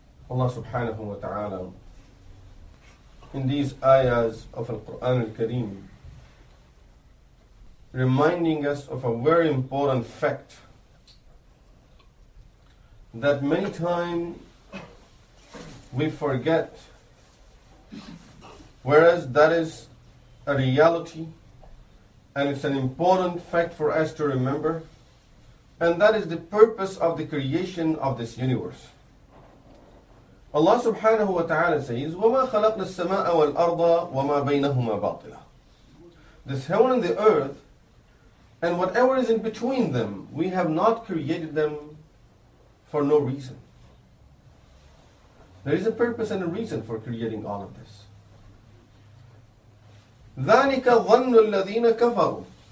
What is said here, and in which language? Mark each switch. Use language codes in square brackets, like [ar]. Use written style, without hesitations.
[en] Allah subhanahu wa ta'ala, in these ayahs of Al-Quran Al-Kareem, reminding us of a very important fact that many times we forget, whereas that is a reality and it's an important fact for us to remember. And that is the purpose of the creation of this universe. [ar] Allah subhanahu wa ta'ala says, وَمَا خَلَقْنَا السَّمَاءَ وَالْأَرْضَ وَمَا بَيْنَهُمَا بَاطِلًا. [en] This heaven and the earth, and whatever is in between them, we have not created them for no reason. There is a purpose and a reason for creating all of this. [ar] ذَلِكَ ظَنُّ الَّذِينَ كَفَرُوا.